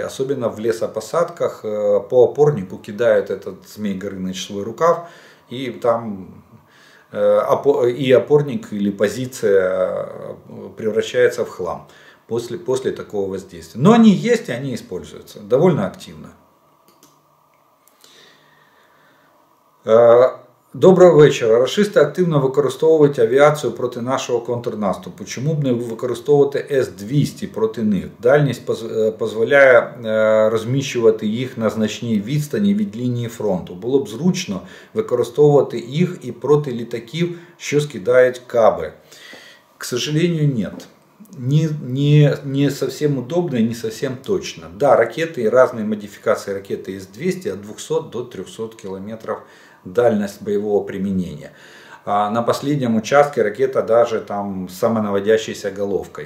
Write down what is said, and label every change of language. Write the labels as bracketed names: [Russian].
[Russian] Особенно в лесопосадках по опорнику кидают этот Змей Горыныч свой рукав. И там и опорник или позиция превращается в хлам после такого воздействия. Но они есть и они используются довольно активно. [Ukrainian] Доброго вечора. Рашисти активно використовують авіацію проти нашого контрнаступу. Чому б не використовувати С-200 проти них? Дальність дозволяє розміщувати їх на значній відстані від лінії фронту. Було б зручно використовувати їх і проти літаків, що скидають каби. [Russian] К сожалению, нет. Не совсем удобно и не совсем точно. Да, ракеты и разные модификации ракеты С-200 от 200 до 300 км. Дальность боевого применения. А на последнем участке ракета даже там с самонаводящейся головкой.